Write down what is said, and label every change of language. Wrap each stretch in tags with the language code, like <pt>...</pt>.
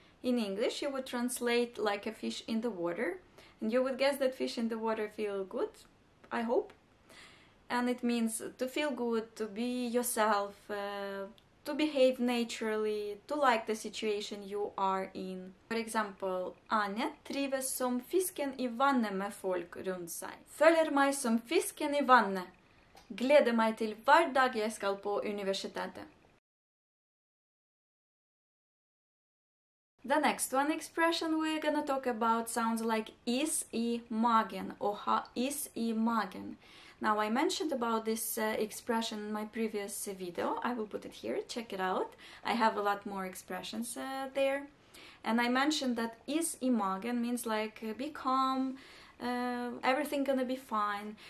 <en>In English, you would translate like a fish in the water. And you would guess that fish in the water feel good, I hope. And it means to feel good, to be yourself, to behave naturally, to like the situation you are in. For example,</en> <no>Anne trives som fisken I vannet med folk rundt seg. Føler meg som fisken I vannet. Gleder meg til hver dag jeg skal på universitetet.</no> <en>The next one expression we're gonna talk about sounds like</en> <no>is I magen, å ha is I magen.</no> <en>Now I mentioned about this expression in my previous video, I will put it here, check it out. I have a lot more expressions there. And I mentioned that is I magen means like be calm, everything gonna be fine.</en>